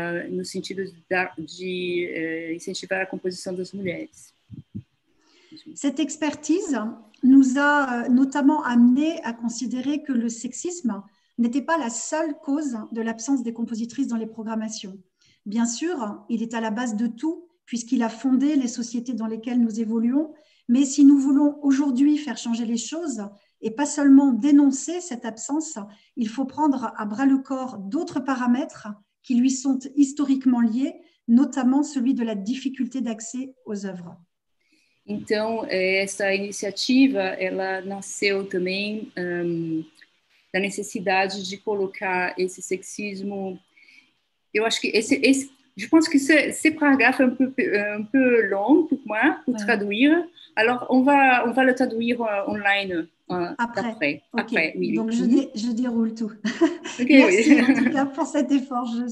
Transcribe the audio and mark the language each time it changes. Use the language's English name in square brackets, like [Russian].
[Portuguese] No sentido de incentivar a composição das mulheres. [French] Cette expertise nous a notamment amené à considérer que le sexisme n'était pas la seule cause de l'absence des compositrices dans les programmations. Bien sûr, il est à la base de tout, puisqu'il a fondé les sociétés dans lesquelles nous évoluons, mais si nous voulons aujourd'hui faire changer les choses, et pas seulement dénoncer cette absence, il faut prendre à bras le corps d'autres paramètres qui lui sont historiquement liés, notamment celui de la difficulté d'accès aux œuvres. [Portuguese] Então, essa iniciativa, ela nasceu também da necessidade de colocar esse sexismo. Eu acho que esse [French] je pense que ce paragraphe est un peu long pour moi pour traduire. Alors, on va le traduire online. Après. Okay. Oui. Donc je déroule tout. Okay, merci, oui. En tout cas pour cet effort.